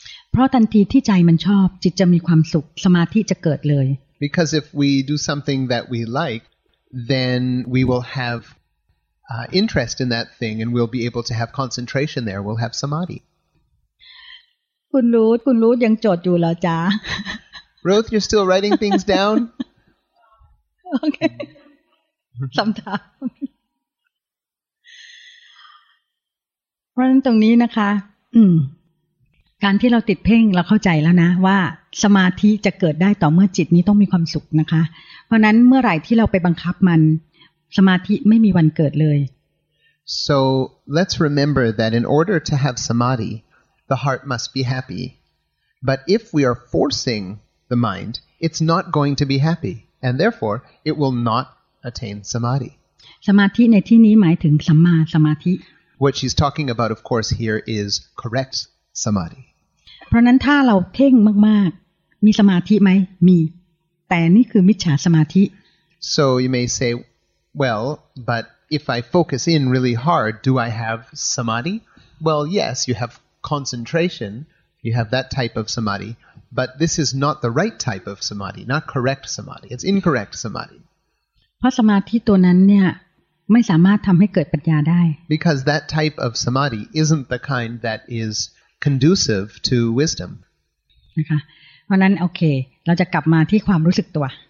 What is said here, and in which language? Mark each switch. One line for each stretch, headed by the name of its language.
Thai: เพราะทันทีที่ใจมันชอบจิตจะมีความสุขสมาธิจะเกิดเลย
English: Because if we do something that we like, then we will have interest in that thing and we'll be able to have concentration there. We'll have samadhi.
Thai: คุณรู้คุณรู้ยังจดอยู่เหรอจ๊ะ
English: Ruth, you're still writing things down? Okay. Sometimes.
Thai: เพราะฉะนั้นตรงนี้นะคะการที่เราติดเพ่งเราเข้าใจแล้วนะว่าสมาธิจะเกิดได้ต่อเมื่อจิตนี้ต้องมีความสุขนะคะเพราะนั้นเมื่อไหร่ที่เราไปบังคับมันสมาธิไม่มีวันเกิดเลย
English: So let's remember that in order to have samadhi the heart must be happy but if we are forcing the mind it's not going to be happy and therefore it will not attain samadhi
Thai: สมาธิในที่นี้หมายถึงสัมมาสมาธิ
English: What she's talking about of course here is correct samadhi
Thai: เพราะนั้นถ้าเราเพ่งมากๆมีสมาธิไหมมีแต่นี่คือมิจฉาสมาธิ
English: So you may say well but if I focus in really hard do I have samadhi well yes you haveconcentration you have that type of samadhi but this is not the right type of samadhi not correct samadhi it's incorrect samadhi
Thai: เพราะสมาธิตัวนั้นเนี่ยไม่สามารถทําให้เกิดปัญญาได้
English: because that type of samadhi isn't the kind that is conducive to wisdom
Thai: นะคะเพราะนั้นโอเคเราจะกลับมาที่ความรู้สึกตัว